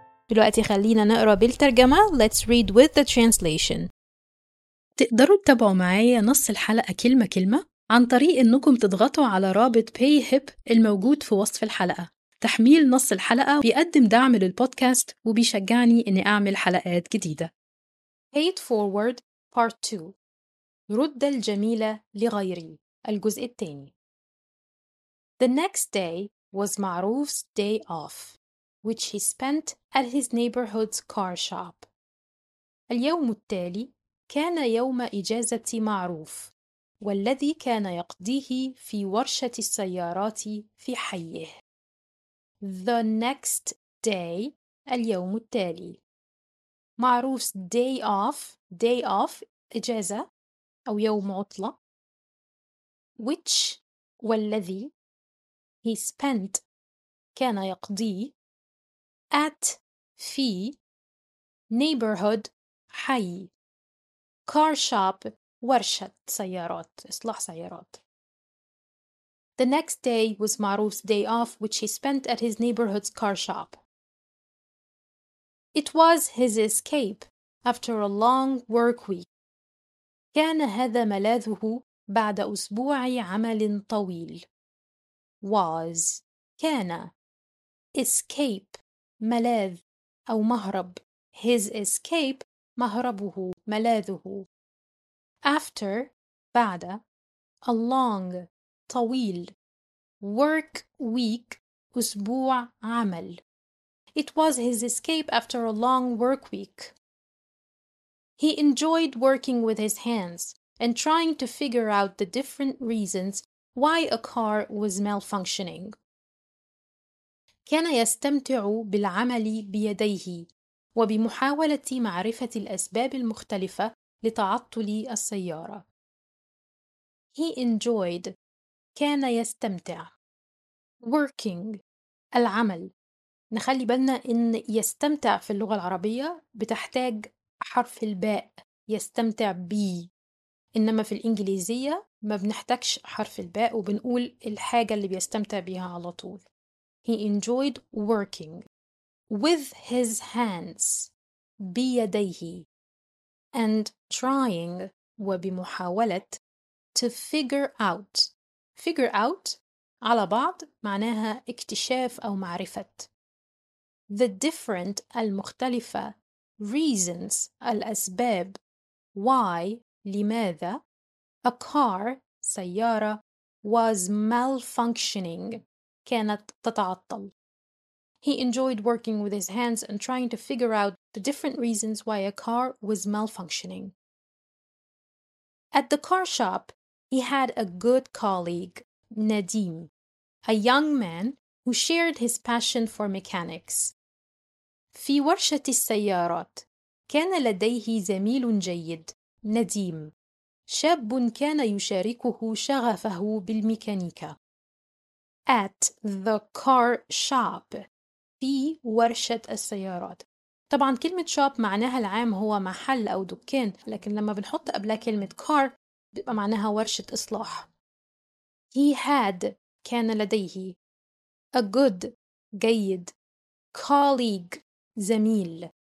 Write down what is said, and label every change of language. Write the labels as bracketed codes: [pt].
[ar] دلوقتي خلينا نقرأ بالترجمة. [en] Let's read with the translation. [ar] تقدروا تتابعوا معايا نص الحلقة كلمة كلمة عن طريق إنكم تضغطوا على رابط PayHip الموجود في وصف الحلقة. تحميل نص الحلقة بيقدم دعم للبودكاست وبيشجعني إني أعمل حلقات جديدة. [en] Pay it forward Part 2. [ar] رد الجميلة لغيري. الجزء الثاني. [en] The next day was معروف's day off, which he spent at his neighborhood's car shop. [ar] اليوم التالي كان يوم إجازة معروف، والذي كان يقضيه في ورشة السيارات في حيه. [en] The next day, [ar] اليوم التالي. [en] معروف's day off, day off, إجازة [ar] أو يوم عطلة. [en] Which, والذي. He spent, [ar] كان يقضي. [en] At, في. Neighborhood, [ar] حي. [en] Car shop, [ar] ورشة سيارات، إصلاح سيارات. [en] The next day was Maruf's day off, which he spent at his neighborhood's car shop. It was his escape after a long work week. [ar] كان هذا ملاذه بعد أسبوع عمل طويل. Was كان escape ملاذ أو مهرب. [en] His escape [ar] مهربه ملاذه. [en] After بعد a long طويل work week [ar] أسبوع عمل. [en] It was his escape after a long work week. He enjoyed working with his hands and trying to figure out the different reasons why a car was malfunctioning. [ar] كان يستمتع بالعمل بيديه وبمحاولة معرفة الأسباب المختلفة لتعطل السيارة. [en] He enjoyed [ar] كان يستمتع [en] working العمل. [ar] نخلي بالنا إن يستمتع في اللغة العربية بتحتاج حرف الباء يستمتع بي، إنما في الإنجليزية ما بنحتاجش حرف الباء وبنقول الحاجة اللي بيستمتع بيها على طول. [en] He enjoyed working with his hands بيديه and trying وبمحاولة to figure out. [ar] Figure out على بعض معناها اكتشاف أو معرفة. [en] The different المختلفة reasons الأسباب why لماذا a car سيارة was malfunctioning [ar] كانت تتعطل. [en] He enjoyed working with his hands and trying to figure out the different reasons why a car was malfunctioning. At the car shop he had a good colleague Nadim, a young man who shared his passion for mechanics. [ar] في ورشة السيارات كان لديه زميل جيد نديم، شاب كان يشاركه شغفه بالميكانيكا. [en] At the car shop [ar] في ورشة السيارات. طبعا كلمة shop معناها العام هو محل أو دكان، لكن لما بنحط قبلها كلمة car بيبقى معناها ورشة إصلاح. [en] He had [ar] كان لديه [en] a good جيد colleague زميل.